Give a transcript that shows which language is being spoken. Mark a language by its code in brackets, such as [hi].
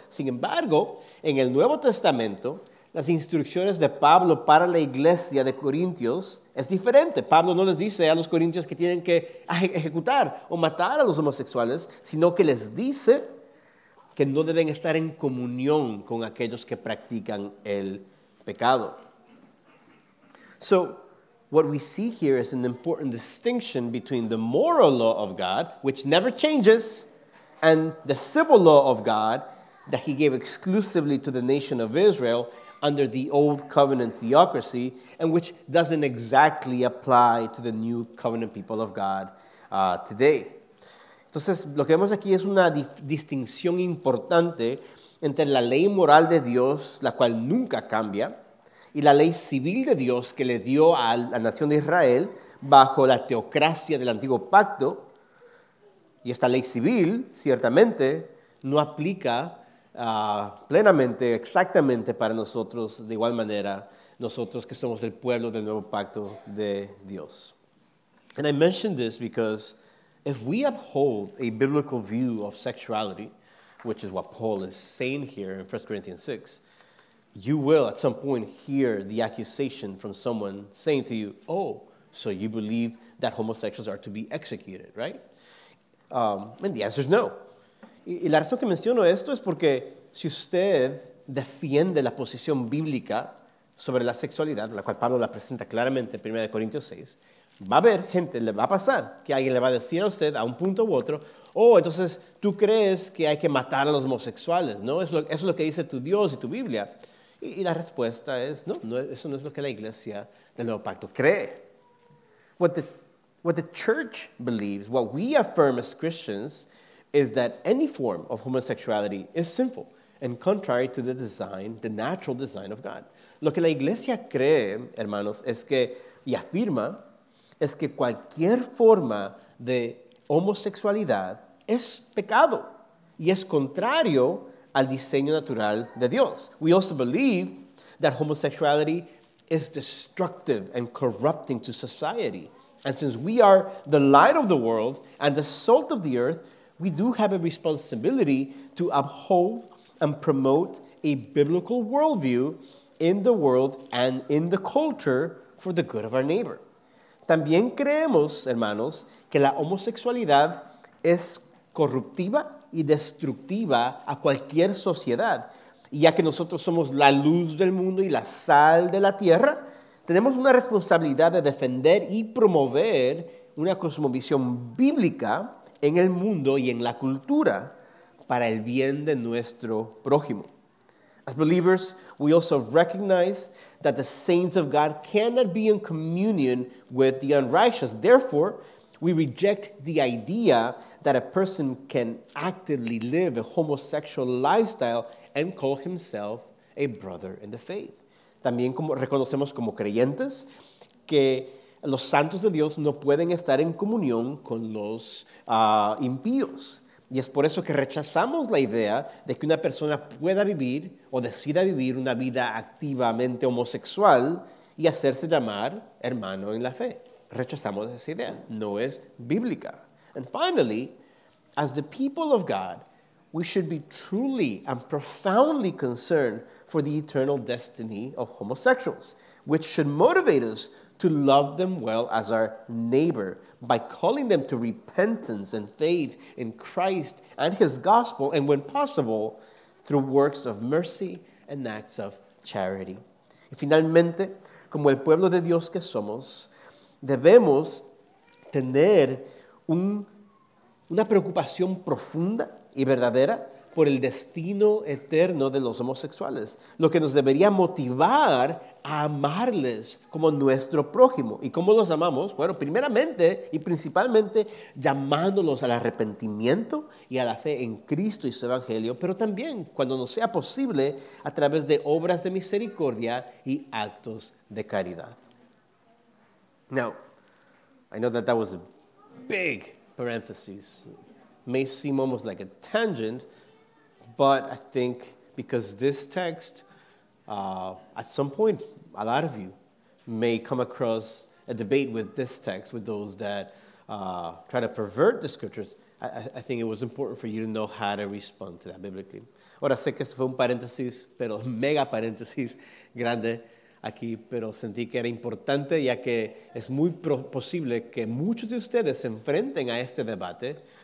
[es] Sin embargo, en el Nuevo Testamento, las instrucciones de Pablo para la iglesia de Corintios es diferente. Pablo no les dice a los corintios que tienen que ejecutar o matar a los homosexuales, sino que les dice que no deben estar en comunión con aquellos que practican el pecado. [en] So, what we see here is an important distinction between the moral law of God, which never changes, and the civil law of God that he gave exclusively to the nation of Israel under the old covenant theocracy, and which doesn't exactly apply to the new covenant people of God today. [es] Entonces, lo que vemos aquí es una distinción importante entre la ley moral de Dios, la cual nunca cambia, y la ley civil de Dios que le dio a la nación de Israel bajo la teocracia del antiguo pacto. Y esta ley civil, ciertamente, no aplica plenamente, exactamente para nosotros, de igual manera, nosotros que somos el pueblo del nuevo pacto de Dios. [en] And I mention this because if we uphold a biblical view of sexuality, which is what Paul is saying here in 1 Corinthians 6, you will at some point hear the accusation from someone saying to you, oh, so you believe that homosexuals are to be executed, right? And the answer is no. [es] Y la razón que menciono esto es porque si usted defiende la posición bíblica sobre la sexualidad, la cual Pablo la presenta claramente en 1 Corintios 6, va a haber gente, le va a pasar, que alguien le va a decir a usted a un punto u otro, oh, entonces tú crees que hay que matar a los homosexuales, ¿no? Eso es lo que dice tu Dios y tu Biblia. Y la respuesta es, no, eso no es lo que la iglesia del Nuevo Pacto cree. [en] What the church believes, what we affirm as Christians, is that any form of homosexuality is sinful and contrary to the design, the natural design of God. [es] Lo que la iglesia cree, hermanos, es que, y afirma, es que cualquier forma de homosexualidad es pecado y es contrario al diseño natural de Dios. [en] We also believe that homosexuality is destructive and corrupting to society. And since we are the light of the world and the salt of the earth, we do have a responsibility to uphold and promote a biblical worldview in the world and in the culture for the good of our neighbor. [es] También creemos, hermanos, que la homosexualidad es corruptiva y destructiva a cualquier sociedad. Y ya que nosotros somos la luz del mundo y la sal de la tierra, tenemos una responsabilidad de defender y promover una cosmovisión bíblica en el mundo y en la cultura para el bien de nuestro prójimo. [en] As believers, we also recognize that the saints of God cannot be in communion with the unrighteous. Therefore, we reject the idea that a person can actively live a homosexual lifestyle and call himself a brother in the faith. [es] También reconocemos como creyentes que los santos de Dios no pueden estar en comunión con los impíos. Y es por eso que rechazamos la idea de que una persona pueda vivir o decida vivir una vida activamente homosexual y hacerse llamar hermano en la fe. Rechazamos esa idea. No es bíblica. [en] And finally, as the people of God, we should be truly and profoundly concerned for the eternal destiny of homosexuals, which should motivate us to love them well as our neighbor by calling them to repentance and faith in Christ and his gospel, and when possible, through works of mercy and acts of charity. [es] Y finalmente, como el pueblo de Dios que somos, debemos tener una preocupación profunda y verdadera por el destino eterno de los homosexuales, lo que nos debería motivar a amarles como nuestro prójimo. ¿Y cómo los amamos? Bueno, primeramente y principalmente llamándolos al arrepentimiento y a la fe en Cristo y su evangelio, pero también, cuando nos sea posible, a través de obras de misericordia y actos de caridad. [en] Now, I know that was a big parenthesis. May seem almost like a tangent, but I think because this text, at some point, a lot of you may come across a debate with this text, with those that try to pervert the scriptures, I think it was important for you to know how to respond to that biblically. [es] Ahora sé que esto fue un paréntesis, pero mega paréntesis grande aquí, pero sentí que era importante ya que es muy posible que muchos de ustedes se enfrenten a este debate.